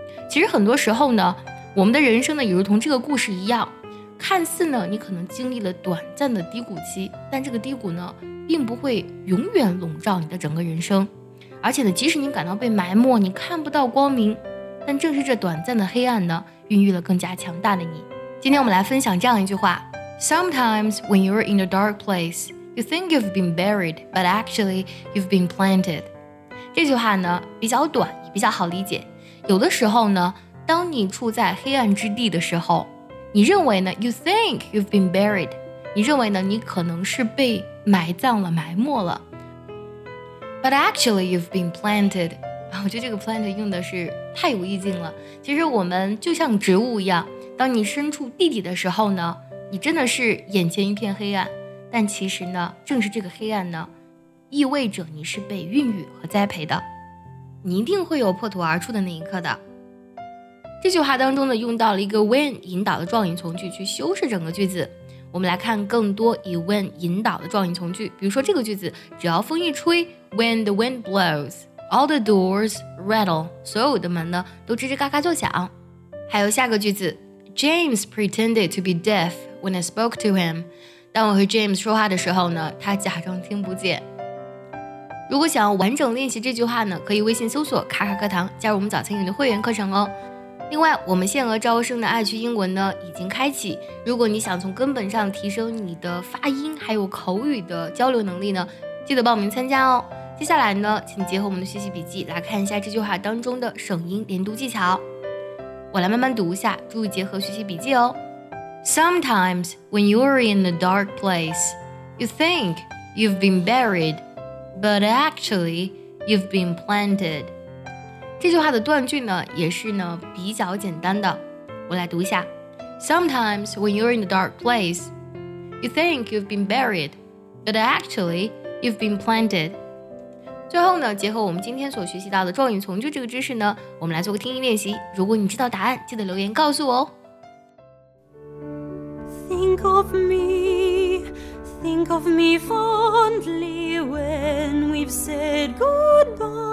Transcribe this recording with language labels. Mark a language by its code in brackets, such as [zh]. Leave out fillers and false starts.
[zh] 其实很多时候呢我们的人生呢也如同这个故事一样，看似呢你可能经历了短暂的低谷期，但这个低谷呢并不会永远笼罩你的整个人生，而且呢即使你感到被埋没，你看不到光明，但正是这短暂的黑暗呢孕育了更加强大的你。今天我们来分享这样一句话， [en] Sometimes when you're in a dark place you think you've been buried but actually you've been planted。 [zh] 这句话呢比较短也比较好理解，有的时候呢当你处在黑暗之地的时候，你认为呢 [en] you think you've been buried， [zh] 你认为呢你可能是被埋葬了埋没了， [en] but actually you've been planted。 [zh] 我觉得这个 plant 用的是太有意境了，其实我们就像植物一样，当你身处地底的时候呢你真的是眼前一片黑暗，但其实呢正是这个黑暗呢意味着你是被孕育和栽培的，你一定会有破土而出的那一刻的。这句话当中呢用到了一个 when 引导的状语从句去修饰整个句子，我们来看更多以 when 引导的状语从句，比如说这个句子，只要风一吹， [en] when the wind blows all the doors rattle， [zh] 所有的门呢都吱吱嘎嘎作响。 [en] 还有下个句子， James pretended to be deaf when I spoke to him， [zh] 当我和 James 说话的时候呢他假装听不见。如果想要完整练习这句话呢可以微信搜索卡卡课堂加入我们早餐英语的会员课程哦。另外我们限额招生的爱趣英文呢已经开启，如果你想从根本上提升你的发音还有口语的交流能力呢记得报名参加哦。接下来呢请结合我们的学习笔记来看一下这句话当中的省音连读技巧，我来慢慢读一下，注意结合学习笔记哦。 [en] Sometimes when you're in a dark place you think you've been buriedBut actually, you've been planted. [zh] 这句话的断句呢，也是呢比较简单的。我来读一下。 [en] Sometimes when you're in a dark place, you think you've been buried, but actually, you've been planted. [zh] 最后呢，结合我们今天所学习到的状语从句这个知识呢，我们来做个听力练习。如果你知道答案，记得留言告诉我哦。 [en] Think of me. Think of me fondly when we've said goodbye.